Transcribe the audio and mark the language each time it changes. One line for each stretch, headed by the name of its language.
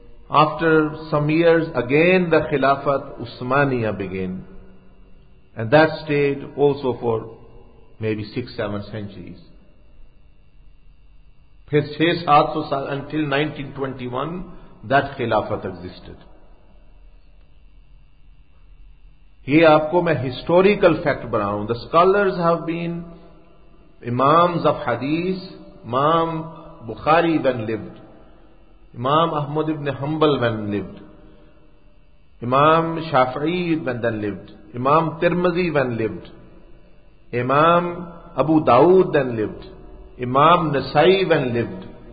English: After some years, again the Khilafat Usmaniya began. And that stayed also for maybe 6-7 centuries.
Urdu: پھر 600-700 سال
English: until 1921 that خلافت existed.
Urdu: یہ آپ کو میں
English: historical fact
Urdu: بناؤں.
English: The scholars have been imams of hadith. Imam Bukhari when lived, Imam Ahmad ibn Hanbal when lived, Imam Shafi'i when then lived, Imam Tirmidhi when lived, Imam Abu Dawood then lived, Imam Nasai when lived.